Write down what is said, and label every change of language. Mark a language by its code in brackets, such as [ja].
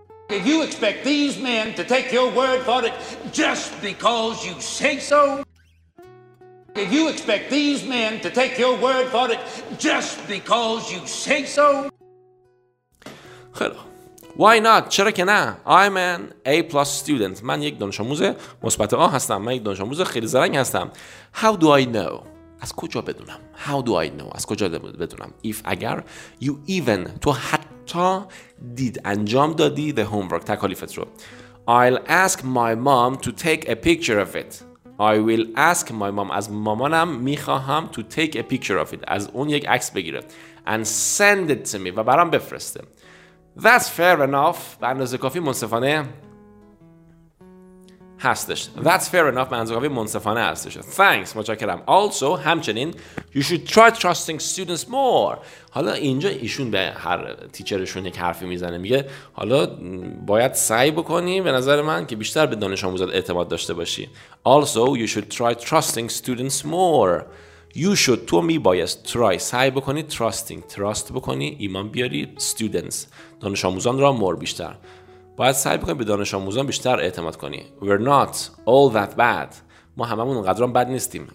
[en] If you expect these men to take your word for it just because you say so, if you expect these men to take your word for it just because you say so. [fa] خیلی [en] Why not؟ [fa] چرا که نه؟ [en] I'm an A-plus student. [fa] من یک دانش آموز مثبت A هستم. من یک دانش آموز خیلی زرنگ هستم. [en] How do I know؟ [fa] از کجا بدونم؟ How do I know؟ از کجا بدونم؟ [en] If [fa] اگر [en] you even [fa] تو حتی دید انجام دادی [en] the homework [fa] تکالیفت رو. [en] I'll ask my mom to take a picture of it. I will ask my mom. [fa] از مامانم میخواهم [en] to take a picture of it. [fa] از اون یک عکس بگیره. [en] And send it to me. [fa] و برام بفرسته. [en] That's fair enough. [fa] به اندازه کافی منصفانه هستش. [en] That's fair enough. [fa] به اندازه کافی منصفانه هستش. [en] Thanks. [fa] متشکرم. [en] Also, [fa] همچنین, [en] you should try trusting students more. [fa] حالا اینجا ایشون به هر تیچرشون یک حرفی میزنه. میگه حالا باید سعی بکنی به نظر من که بیشتر به دانش آموزات اعتماد داشته باشی. [en] Also, you should try trusting students more. You should [fa] تو میبایست [en] try [fa] سعی بکنی [en] trusting trust [fa] بکنی ایمان بیاری [en] students [fa] دانش آموزان را مور بیشتر باید سعی بکنی به دانش آموزان بیشتر اعتماد کنی. [en] We're not all that bad. [fa] ما هممون اونقدران بد نیستیم.